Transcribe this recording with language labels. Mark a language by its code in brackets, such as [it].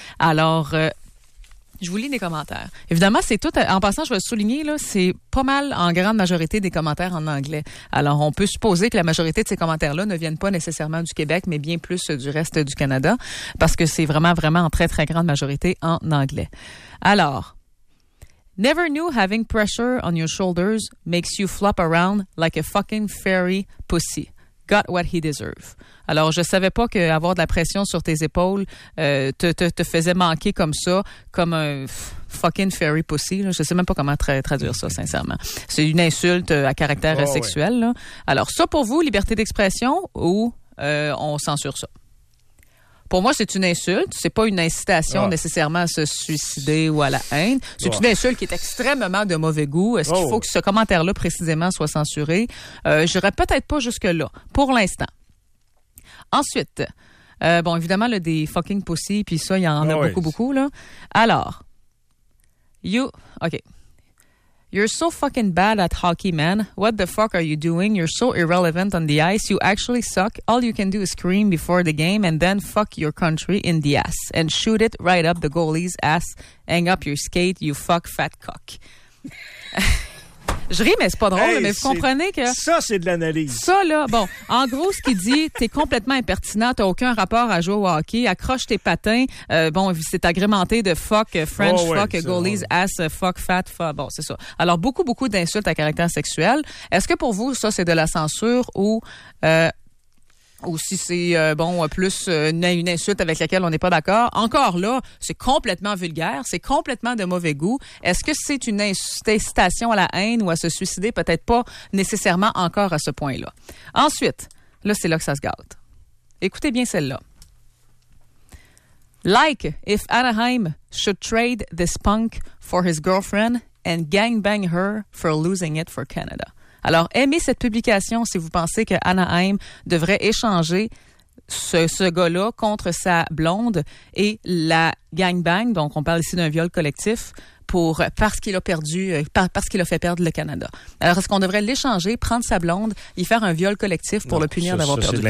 [fr] Alors, je vous lis des commentaires. Évidemment, c'est tout. En passant, je vais souligner, là, c'est pas mal en grande majorité des commentaires en anglais. Alors, on peut supposer que la majorité de ces commentaires-là ne viennent pas nécessairement du Québec, mais bien plus du reste du Canada, parce que c'est vraiment, vraiment en très, très grande majorité en anglais. Alors, [en] never knew having pressure on your shoulders makes you flop around like a fucking fairy pussy. Got what he deserved. [fr] Alors, je savais pas qu'avoir de la pression sur tes épaules te faisait manquer comme ça, comme un [en] fucking fairy pussy. [fr] Là. Je sais même pas comment traduire ça, sincèrement. C'est une insulte à caractère sexuel. Là. Alors, ça pour vous, liberté d'expression ou on censure ça? Pour moi, c'est une insulte. C'est pas une incitation nécessairement à se suicider ou à la haine. C'est une insulte qui est extrêmement de mauvais goût. Est-ce qu'il faut que ce commentaire-là précisément soit censuré? J'irais peut-être pas jusque-là, pour l'instant. Ensuite, évidemment, là, des fucking pussy, puis ça, il y en a beaucoup, beaucoup, là. Alors, [en] You're so fucking bad at hockey, man. What the fuck are you doing? You're so irrelevant on the ice. You actually suck. All you can do is scream before the game and then fuck your country in the ass and shoot it right up the goalie's ass. Hang up your skate, you fuck fat cock. [fr] Je ris, mais c'est pas drôle, mais vous comprenez que... Ça, c'est de l'analyse. Ça, là, bon, en gros, ce qu'il dit, t'es complètement impertinent, t'as aucun rapport à jouer au hockey, accroche tes patins, bon, c'est agrémenté de fuck French, oh, ouais, fuck goalies, ouais. Ass, fuck fat, fuck, bon, c'est ça. Alors, beaucoup, beaucoup d'insultes à caractère sexuel. Est-ce que pour vous, ça, c'est de la censure ou si c'est, bon, plus une insulte avec laquelle on n'est pas d'accord. Encore là, c'est complètement vulgaire, c'est complètement de mauvais goût. Est-ce que c'est une incitation à la haine ou à se suicider? Peut-être pas nécessairement encore à ce point-là. Ensuite, là, c'est là que ça se gâte. Écoutez bien celle-là. [en] Like if Anaheim should trade this punk for his girlfriend and gangbang her for losing it for Canada. [fr] Alors, aimez cette publication si vous pensez que Anaheim devrait échanger ce gars-là contre sa blonde et la gangbang, donc on parle ici d'un viol collectif, parce qu'il a fait perdre le Canada. Alors, est-ce qu'on devrait l'échanger, prendre sa blonde, y faire un viol collectif pour non, le punir d'avoir perdu?